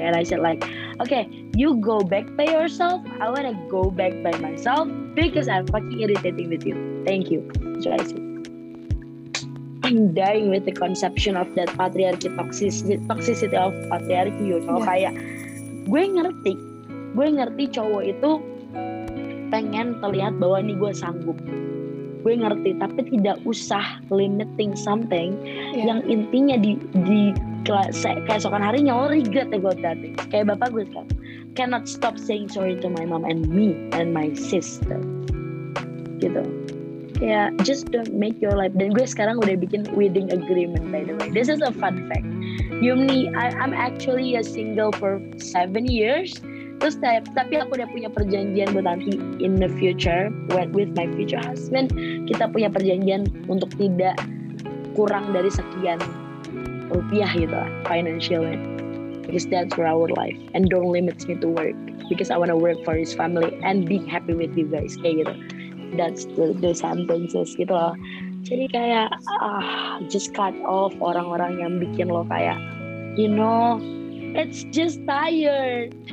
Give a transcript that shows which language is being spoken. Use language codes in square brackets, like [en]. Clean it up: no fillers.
[en] And I said like, okay, you go back by yourself, I wanna go back by myself, because I'm fucking irritating with you. Thank you. So I said, I'm dying with the conception of that patriarchy, toxicity of patriarchy, you know. Yeah. [id] Kayak gue ngerti cowok itu pengen terlihat bahwa ini gue sanggup. Gue ngerti, tapi tidak usah limiting something, yeah, yang intinya di keesokan harinya lo regret about that thing. [en] Kayak bapak gue kan, cannot stop saying sorry to my mom and me and my sister. Gitu. Kayak just don't make your life. Dan gue sekarang udah bikin wedding agreement by the way. This is a fun fact. Yumni, I'm actually a single for 7 years. [id] Terus tapi aku udah punya perjanjian buat nanti in the future with my future husband. Kita punya perjanjian untuk tidak kurang dari sekian rupiah gitu lah, financially. [en] Because that's for our life. And don't limit me to work, because I wanna work for his family and be happy with you guys. Kayak gitu. That's the sentences gitu loh. Jadi kayak, just cut off orang-orang yang bikin lo kayak, you know, it's just tired.